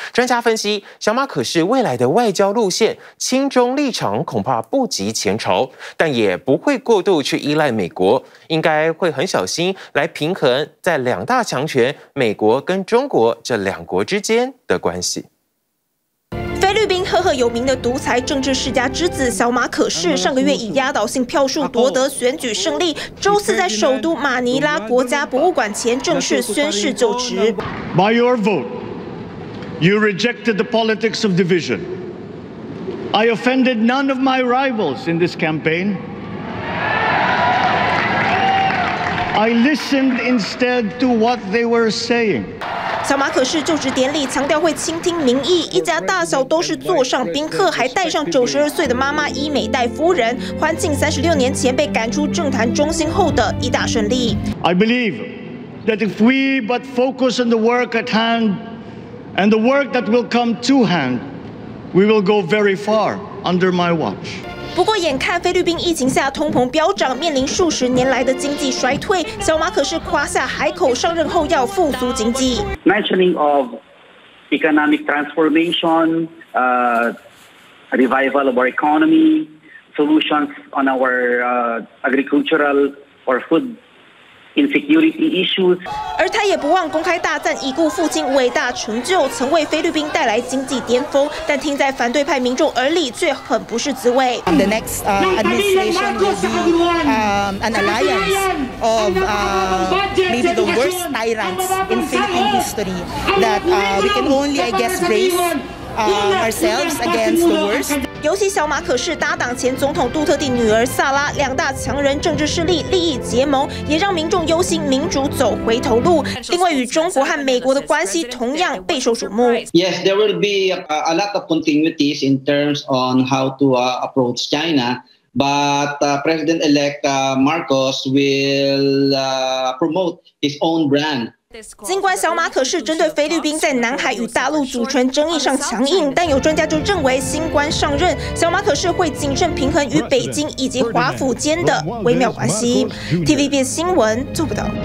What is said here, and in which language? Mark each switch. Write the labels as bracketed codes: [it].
[zh] 专家分析，小马可士未来的外交路线亲中立场恐怕不及前朝，但也不会过度去依赖美国，应该会很小心来平衡在两大强权美国跟中国这两国之间的关系。菲律宾赫赫有名的独裁政治世家之子小马可士上个月以压倒性票数夺得选举胜利，周四在首都马尼拉国家博物馆前正式宣誓就职。 [en] By your vote, you rejected the politics of division. I offended none of my rivals in this campaign. I listened instead to what they were saying. [zh] 小马可士就职典礼强调会倾听民意，一家大小都是座上宾客，还带上92岁的妈妈伊美代夫人，欢庆36年前被赶出政坛中心后的一大胜利。 [en] I believe that if we but focus on the work at hand and the work that will come to hand, we will go very far under my watch. [zh] 不过眼看菲律宾疫情下通膨飙涨，面临数十年来的经济衰退，小马可是夸下海口上任后要复苏经济。 [en] Mentioning of economic transformation, revival of our economy, solutions on our agricultural or food insecurity issues. [zh] 而他也不忘公开大赞已故父亲伟大成就，曾为菲律宾带来经济巅峰，但听在反对派民众耳里却很不是滋味。 [en] The next administration will be an alliance of maybe the worst tyrants in Philippine history that we can only, I guess, brace ourselves against the worst. [zh] 尤其小马可是搭档前总统杜特地女儿萨拉，两大强人政治势力利益结盟，也让民众忧心民主走回头路。另外，与中国和美国的关系同样备受瞩目。 [en] Yes, there will be a lot of continuities in terms on how to approach China, but President-elect Marcos will promote his own brand. [zh] 尽管小马可是针对菲律宾在南海与大陆主权争议上强硬，但有专家就认为新官上任，小马可是会谨慎平衡与北京以及华府间的微妙关系。 TVBS 新闻做不到。